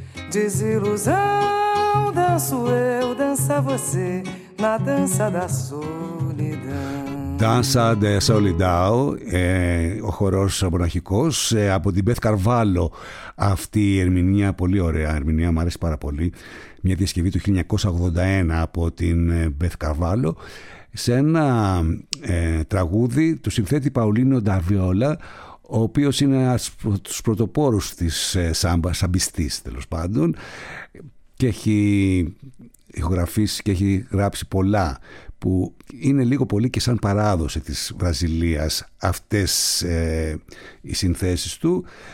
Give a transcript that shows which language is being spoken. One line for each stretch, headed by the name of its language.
Portuguese: Desilusão, desilusão, danço eu, dança você, na dança da solidão.
Greek: Dança de Solidão, ο χορός μοναχικός, από την Beth Carvalho. Αυτή η ερμηνεία, πολύ ωραία ερμηνεία, μου αρέσει πάρα πολύ. Μια διασκευή του 1981 από την Beth Carvalho, σε ένα τραγούδι του συνθέτη Παουλίνο Νταβιόλα, ο οποίος είναι ένας από τους πρωτοπόρους της σαμπιστής, τέλος πάντων, και έχει ηχογραφήσει και έχει γράψει πολλά, που είναι λίγο πολύ και σαν παράδοση της Βραζιλίας αυτές οι συνθέσεις του.